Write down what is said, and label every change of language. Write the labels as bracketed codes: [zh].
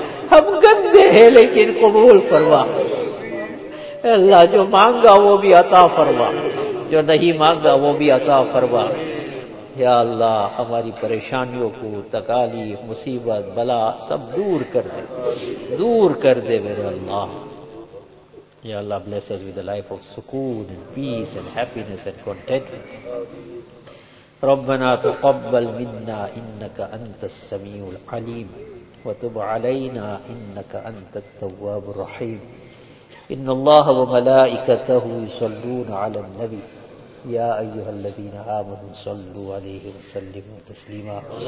[ur] ہم گندے ہیں لیکن قبول فرما. اللہ جو مانگا وہ بھی عطا فرما, جو نہیں مانگا وہ بھی عطا فرما. یا اللہ ہماری پریشانیوں کو, تکالیف, مصیبت, بلا سب دور کر دے, دور کر دے میرے اللہ. یا اللہ [en] bless us with a life of سکون and peace and happiness and contentment. [ar] رَبَّنَا تُقَبَّلْ مِنَّا إِنَّكَ أَنْتَ السَّمِيعُ الْعَلِيمُ وَتُبْ عَلَيْنَا إِنَّكَ أَنْتَ التَّوَّابُ الرَّحِيمُ إِنَّ اللَّهَ وَمَلَائِكَتَهُ يُصَلُّونَ عَلَى النَّبِيِّ يا أيها الذين آمنوا صلوا عليه وسلموا تسليما.